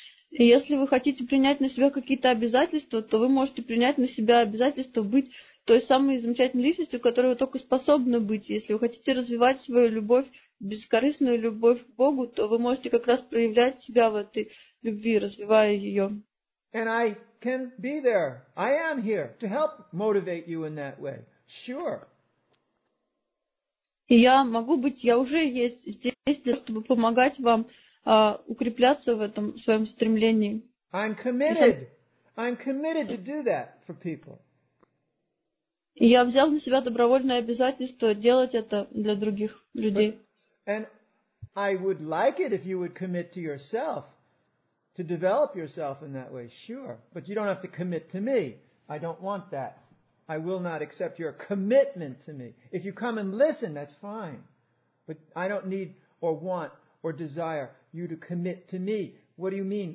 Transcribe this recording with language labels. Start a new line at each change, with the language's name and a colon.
Russian: Если вы хотите принять на себя какие-то обязательства, то вы можете принять на себя обязательство быть той самой замечательной личностью, которой вы только способны быть. Если вы хотите развивать свою любовь, бескорыстную любовь к Богу, то вы можете как раз проявлять себя в этой любви, развивая ее.
English: And I can be there. I am here to help motivate you in that way. Sure.
Russian: И я могу быть, я уже есть здесь, для, чтобы помогать вам укрепляться в этом своем стремлении.
English: I'm committed. I'm committed to do that for people.
Russian: Я взял на себя добровольное обязательство делать это для других людей.
English: And I would like it if you would commit to yourself to develop yourself in that way, sure. But you don't have to commit to me. I don't want that. I will not accept your commitment to me. If you come and listen, that's fine. But I don't need or want or desire you to commit to me. What do you mean?